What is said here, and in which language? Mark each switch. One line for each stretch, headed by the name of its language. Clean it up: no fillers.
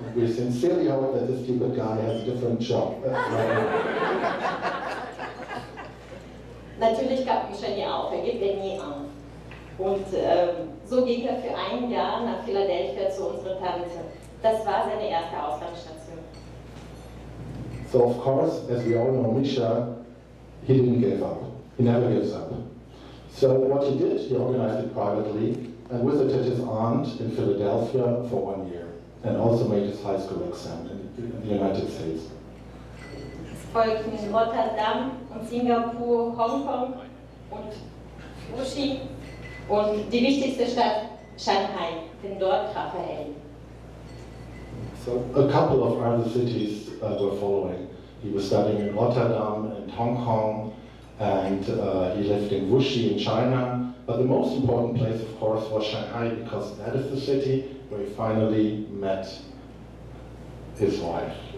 English: We sincerely hope that this stupid guy has a different job.
German: Natürlich gab Büscher nie auf, er gibt ja nie auf. Und so ging er für ein Jahr nach Philadelphia zu unserer Tante. Das war seine erste Auslandsstation.
English: So of course, as we all know, Misha, he didn't give up. He never gives up. So what he did, he organized it privately and visited his aunt in Philadelphia for 1 year and also made his high school exam in the United States.
German: Es folgten Rotterdam und Singapur, Hongkong und Fuji und die wichtigste Stadt Shanghai, denn dort traf er Ellen.
English: So a couple of other cities were following. He was studying in Rotterdam and Hong Kong, and he lived in Wuxi in China. But the most important place, of course, was Shanghai, because that is the city where he finally met his wife.